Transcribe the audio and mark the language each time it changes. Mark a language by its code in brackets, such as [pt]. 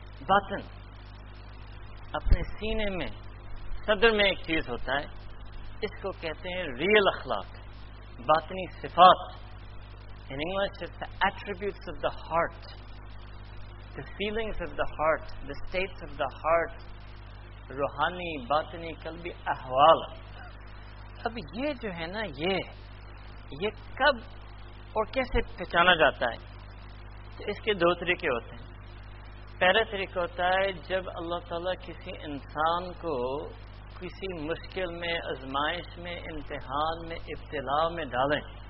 [ur] Batn اپنے سینے میں صدر میں ایک چیز ہوتا ہے اس کو کہتے ہیں ریئل اخلاق باطنی صفات. [en] In English it's the attributes of the heart, the feelings of the heart, the states of the heart, [ur] روحانی باطنی قلبی احوال. اب یہ جو ہے نا یہ کب اور کیسے پہچانا جاتا ہے؟ اس کے دو طریقے ہوتے ہیں. پہلا طریقہ ہوتا ہے جب اللہ تعالیٰ کسی انسان کو کسی مشکل میں ازمائش میں امتحان میں ابتلاء میں ڈالیں